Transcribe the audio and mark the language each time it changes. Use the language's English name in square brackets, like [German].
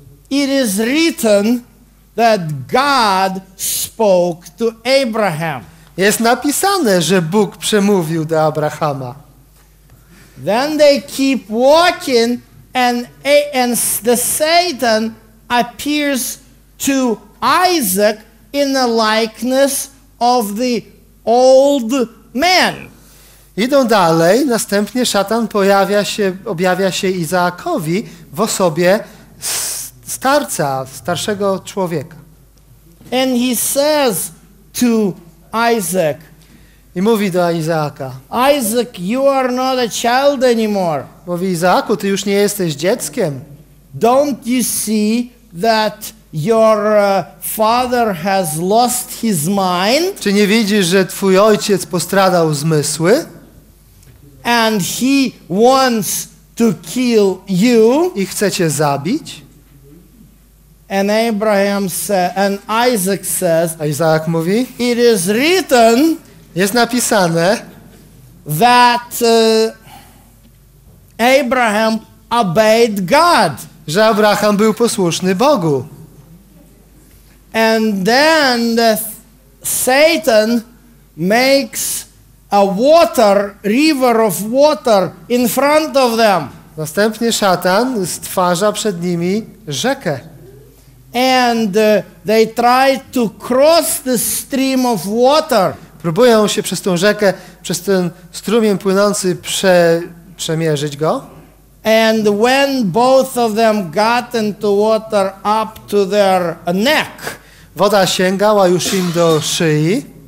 [English] It is written that God spoke to Abraham. [Polish] Jest napisane, że Bóg przemówił do Abrahama. [English] Then they keep walking. And the Satan appears to Isaac in the likeness of the old man. [Polish] Idą dalej, następnie szatan pojawia się, objawia się Izaakowi w osobie starca, starszego człowieka. [English] And he says to Isaac, [Polish] I mówi do Izaaka. [English] Isaac, you are not a child anymore. [Polish] Mówi Izaaku, ty już nie jesteś dzieckiem. [English] Don't you see that your father has lost his mind? [Polish] Czy nie widzisz, że twój ojciec postradał zmysły? [English] And he wants to kill you. [Polish] I chce cię zabić. [English] And Abraham said, and Isaac says, [Polish] a Izaak mówi, [English] it is written, [Polish] jest napisane, [English] that Abraham obeyed God. [Polish] Że Abraham był posłuszny Bogu. [English] And then Satan makes a water, river of water in front of them. [Polish] Następnie szatan stwarza przed nimi rzekę. [English] And they try to cross the stream of water. [Polish] Próbują się przez tą rzekę, przez ten strumień płynący przemierzyć go. [English] And when both of them got into water up to their neck. [Polish] Woda sięgała już im do szyi.